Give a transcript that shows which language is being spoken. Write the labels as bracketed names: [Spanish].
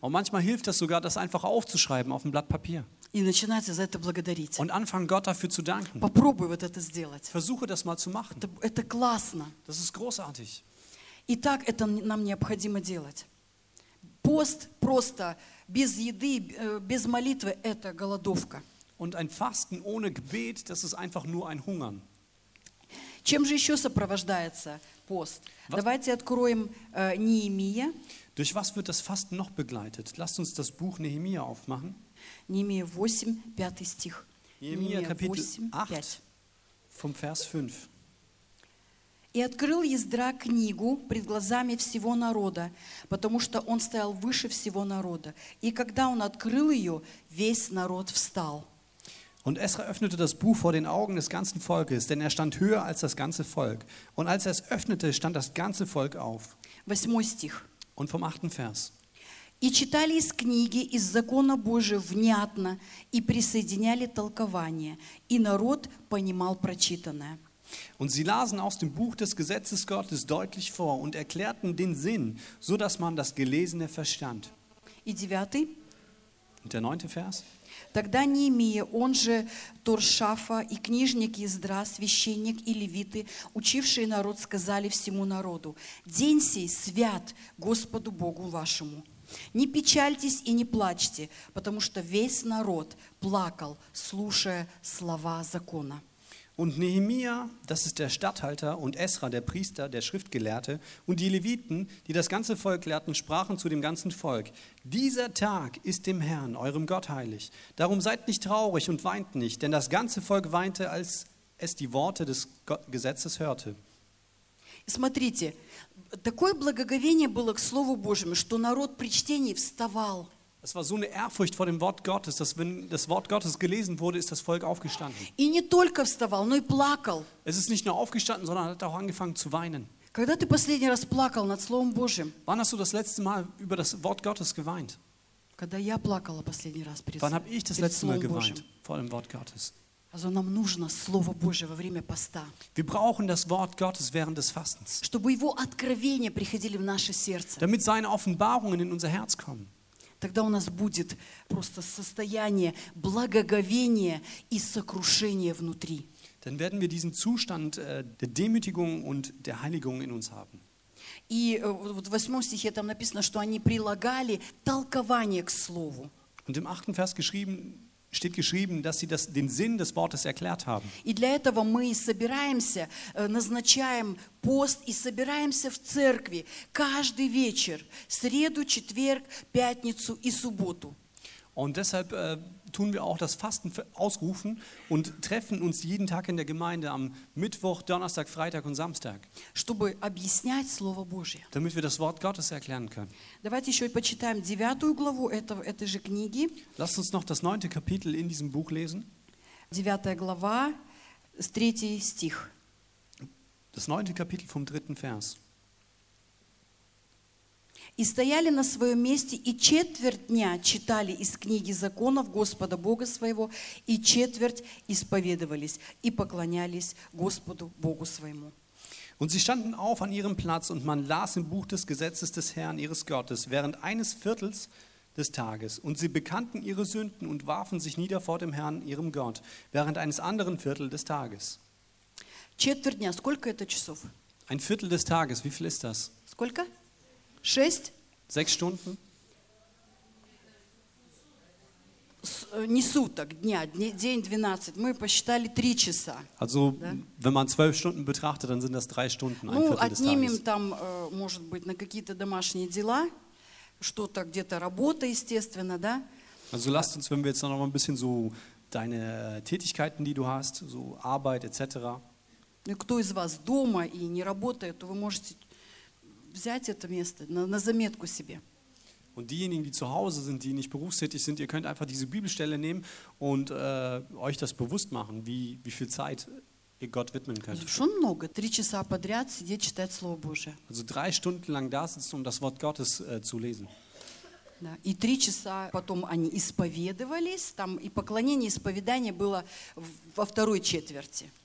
[German] Und manchmal hilft das sogar, das einfach aufzuschreiben auf ein Blatt Papier. [Russian] И начинайте за это благодарить. [German] Und anfangen Gott dafür zu danken. [Russian] Попробуй вот это сделать. [German] Versuche das mal zu machen. [Russian] Это классно. [German] Das ist großartig. [Russian] Итак, это нам необходимо делать. Пост просто без еды, без молитвы – это голодовка. [German] Und ein Fasten ohne Gebet, das ist einfach nur ein Hungern. [Russian] Чем же еще сопровождается пост? [German] Was? [Russian] Давайте откроем Неемия. [German] Durch was wird das Fasten noch begleitet? Lasst uns das Buch Nehemia aufmachen. [Russian] Неемия 8, 5 стих. [German] Неемия, Kapitel 8, 5. Vom Vers 5. [Russian] И открыл Ездра книгу пред глазами всего народа, потому что он стоял выше всего народа. И когда он открыл ее, весь народ встал. [German] Und Esra öffnete das Buch vor den Augen des ganzen Volkes, denn er stand höher als das ganze Volk. Und als er es öffnete, stand das ganze Volk auf. [Russian] 8 стих. [German] Und vom 8. Vers. [Russian] И читали из книги, из закона Божия внятно, и присоединяли толкование, и народ понимал прочитанное. [German] Und sie lasen aus dem Buch des Gesetzes Gottes deutlich vor und erklärten den Sinn, so dass man das Gelesene verstand. [Russian] И девятый. [German] Der neunte Vers. [Russian] Тогда Неемия, он же Торшафа, и книжник Ездра, священник и левиты, учившие народ, сказали всему народу: «День сей свят Господу Богу вашему. Не печальтесь и не плачьте, потому что весь народ плакал, слушая слова закона». [German] Und Nehemia, das ist der Statthalter, und Esra, der Priester, der Schriftgelehrte, und die Leviten, die das ganze Volk lehrten, sprachen zu dem ganzen Volk: Dieser Tag ist dem Herrn, eurem Gott, heilig. Darum seid nicht traurig und weint nicht, denn das ganze Volk weinte, als es die Worte des Gesetzes hörte. [Russian] Смотрите, такое благоговение было к Слову Божьему, что народ при чтении вставал. [German] Es war so eine Ehrfurcht vor dem Wort Gottes, dass wenn das Wort Gottes gelesen wurde, ist das Volk aufgestanden. [Russian] И не только вставал, но и плакал. [German] Es ist nicht nur aufgestanden, sondern hat auch angefangen zu weinen. [Russian] Когда ты последний раз плакал над Словом Божьим? [German] Wann hast du das letzte Mal über das Wort Gottes geweint? [Russian] Когда я плакала последний раз перед [German] Wann habe ich das letzte Mal geweint vor dem Wort Gottes? Also [Russian] нам нужно Слово Божье во время поста. [German] Wir brauchen das Wort Gottes während des Fastens. [Russian] Чтобы его откровения приходили в наше сердце. [German] Damit seine Offenbarungen in unser Herz kommen. [Russian] Тогда у нас будет просто состояние благоговения и сокрушения внутри. [German] Dann werden wir diesen Zustand der Demütigung und der Heiligung in uns haben. [Russian] И вот в 8 стихе там написано, что они прилагали толкование к слову. [German] Und im 8. Vers geschrieben steht geschrieben, dass sie das, den Sinn des Wortes erklärt haben. [Russian] И для этого мы собираемся, назначаем пост и собираемся в церкви каждый вечер, среду, четверг, пятницу и субботу. [German] Und deshalb tun wir auch das Fasten ausrufen und treffen uns jeden Tag in der Gemeinde am Mittwoch, Donnerstag, Freitag und Samstag. [Russian] Чтобы объяснять Слово Божье. [German] Damit wir das Wort Gottes erklären können. [Russian] Давайте еще почитаем 9 главу этой же книги. [German] Lasst uns noch das 9. Kapitel in diesem Buch lesen. [Russian] 9. глава, 3. стих. [German] Das 9. Kapitel vom 3. Vers. [Russian] И стояли на своем месте и четверть дня читали из книги законов Господа Бога своего, и четверть исповедовались и поклонялись Господу Богу своему. [German] Und sie standen auf an ihrem Platz und man las im Buch des Gesetzes des Herrn ihres Gottes während eines Viertels des Tages, und sie bekannten ihre Sünden und warfen sich nieder vor dem Herrn ihrem Gott während eines anderen Viertel des Tages. [Russian] Четверть дня, сколько это часов? [German] Ein Viertel des Tages, wie viel ist das? [Russian] Сколько? Шесть? [German] Sechs Stunden? [Russian] Не суток, дня, день 12. Мы посчитали 3 часа. [German] Also, [Russian] да? [German] Wenn man 12 Stunden betrachtet, dann sind das 3 Stunden, ein Viertel des Tages. [Russian] Ну, отнимем там, может быть, на какие-то домашние дела, что-то где-то работа, естественно, да? [German] Also, lasst uns, wenn wir jetzt noch mal ein bisschen so deine Tätigkeiten, die du hast, so Arbeit, etc. [Russian] Ну, кто из вас дома и не работает, то вы можете... Взять это место на заметку себе. [German] Und diejenigen, die zu Hause sind, die nicht berufstätig sind, ihr könnt einfach diese Bibelstelle nehmen und euch das bewusst machen, wie viel Zeit ihr Gott widmen könnt. Schon [Russian] много. 3 часа подряд сидеть читать Слово Божие. [German] Also 3 Stunden lang da sitzen, um das Wort Gottes zu lesen. [Russian] Да. И 3 часа потом они исповедовались, там и поклонение, и исповедание было во второй четверти.